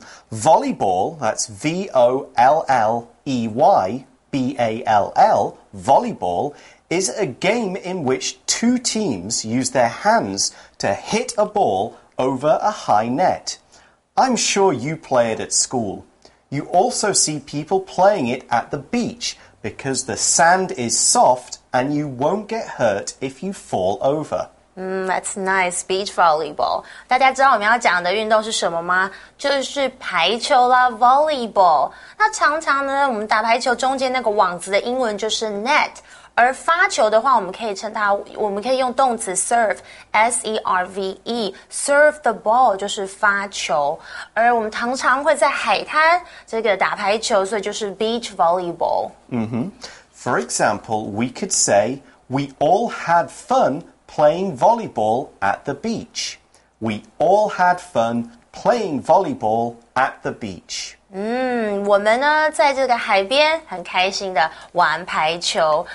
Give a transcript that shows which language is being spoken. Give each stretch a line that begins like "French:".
English: Volleyball, that's V-O-L-L-E-Y-B-A-L-L, volleyball, is a game in which two teams use their handsTo hit a ball over a high net. I'm sure you play it at school. You also see people playing it at the beach because the sand is soft and you won't get hurt if you fall over. That's nice, beach volleyball.
Chinese: 大家知道我们要讲的运动是什么吗？就是排球啦 ,volleyball. 那常常呢我们打排球中间那个网子的英文就是 net. 而发球的话我们可以称它我们可以用动词 serve, S-E-R-V-E,
English: serve the ball,
Chinese: 就是发球。而我们常常会在海滩这个打排球所以就是 beach volleyball.
English: For example, we could say, we all had fun playing volleyball at the beach. We all had fun playing volleyball at the beach.
Chinese: 我们呢在这个海边很开心的玩排球。